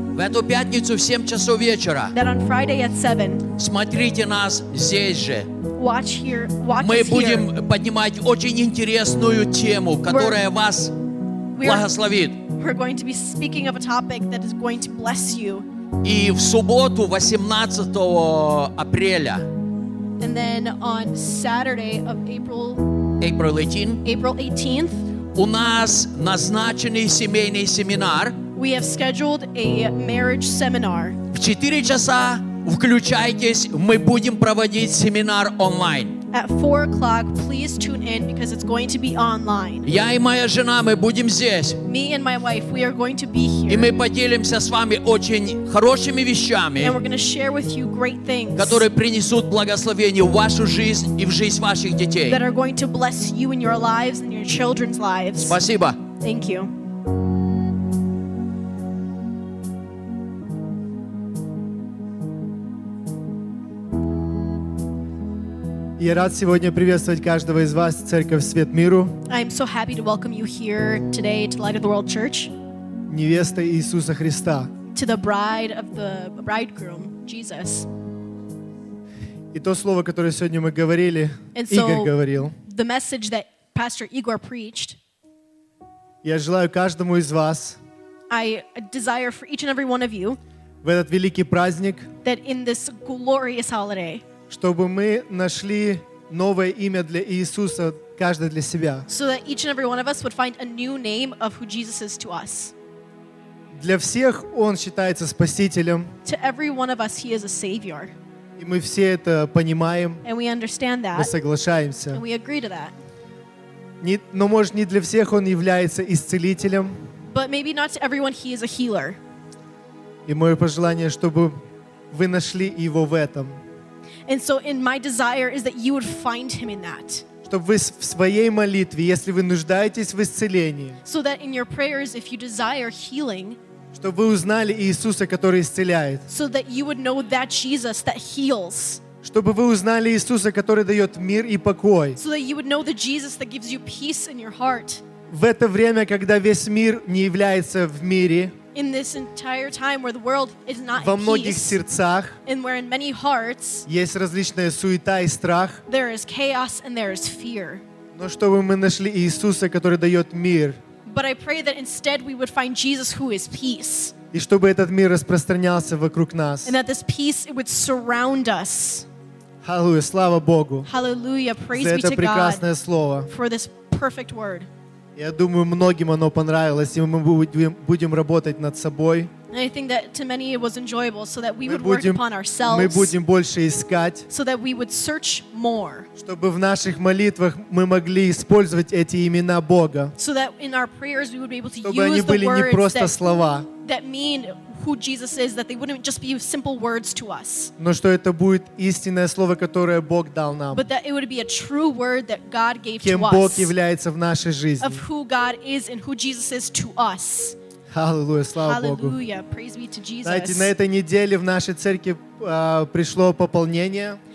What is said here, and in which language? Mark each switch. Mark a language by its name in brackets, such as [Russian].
[Russian] В эту пятницу в 7 часов вечера. [English] That on Friday at 7. [Russian] Смотрите нас здесь же. [English] Watch here. Watch [Russian] Мы [English] us [Russian] будем [English] here. [Russian] Поднимать очень интересную тему, которая [English] we're, [Russian] вас благословит. [English] We're going to be speaking of a topic that is going to bless you. [Russian] И в субботу 18 апреля. [English] And then on Saturday of April. April 18. April 18th. [Russian] У нас назначенный семейный семинар. [English] We have scheduled a marriage seminar. [Russian] В 4 часа включайтесь, мы будем проводить семинар онлайн. [English] At 4 o'clock, please tune in because it's going to be online. [Russian] Я и моя жена, мы будем здесь. [English] Me and my wife, we are going to be here. [Russian] И мы поделимся с вами очень хорошими вещами. [English] And we're going to share with you great things. [Russian] Которые принесут благословение в вашу жизнь и в жизнь ваших детей. [English] That are going to bless you in your lives and your children's lives. [Russian] Спасибо. [English] Thank you. [Russian] Я рад сегодня приветствовать каждого из вас, Церковь Свет Миру. [English] I am so happy to welcome you here today to Light of the World Church. [Russian] Невеста Иисуса Христа. [English] To the bride of the bridegroom, Jesus. [Russian] И то слово, которое сегодня мы говорили, Игорь говорил. [English] The message that Pastor Igor preached. [Russian] Я желаю каждому из вас. [English] I desire for each and every one of you. [Russian] В этот великий праздник. [English] That in this glorious holiday. [Russian] Чтобы мы нашли новое имя для Иисуса, каждый для себя. [English] So that each and every one of us would find a new name of who Jesus is to us. [Russian] Для всех Он считается Спасителем. [English] To every one of us, He is a Savior. [Russian] И мы все это понимаем. [English] And we understand that. [Russian] Мы соглашаемся. [English] And we agree to that. [Russian] Но, может, не для всех Он является Исцелителем. [English] But maybe not to everyone, He is a Healer. [Russian] И мое пожелание, чтобы вы нашли Его в этом. [English] And so in my desire is that you would find him in that. [Russian] Чтобы вы в своей молитве, если вы нуждаетесь в исцелении. [English] So that in your prayers, if you desire healing. [Russian] Чтобы вы узнали Иисуса, который исцеляет. [English] So that you would know that Jesus that heals. [Russian] Чтобы вы узнали Иисуса, который дает мир и покой. [English] So that you would know the Jesus that gives you peace in your heart. [Russian] В это время, когда весь мир не является в мире. [English] In this entire time where the world is not [Russian] во многих сердцах, [English] and where in many hearts, [Russian] есть различная суета и страх, [English] there is chaos and there is fear. [Russian] Но чтобы мы нашли Иисуса, который дает мир. [English] But I pray that instead we would find Jesus who is peace. [Russian] И чтобы этот мир распространялся вокруг нас. [English] And that this peace would surround us. [Russian] Hallelujah, слава Богу. [English] Hallelujah, praise be to God. [Russian] За это прекрасное слово. [English] For this perfect word. [Russian] Я думаю, многим оно понравилось, и мы будем работать над собой. [English] And I think that to many it was enjoyable, so that we would work upon ourselves. [Russian] Мы будем больше искать. [English] So that we would search more. [Russian] Чтобы в наших молитвах мы могли использовать эти имена Бога. [English] So that in our prayers we would be able to use the words. [Russian] Чтобы они были не просто слова. [English] That mean who Jesus is, that they wouldn't just be simple words to us. [Russian] Но что это будет истинное слово, которое Бог дал нам. [English] But that it would be a true word that God gave to us. [Russian] Кем Бог является в нашей жизни. [English] Of who God is and who Jesus is to us. [Russian] Hallelujah, слава Богу. [English] Hallelujah, praise be to Jesus. [Russian] Знаете, на этой неделе в нашей церкви пришло пополнение.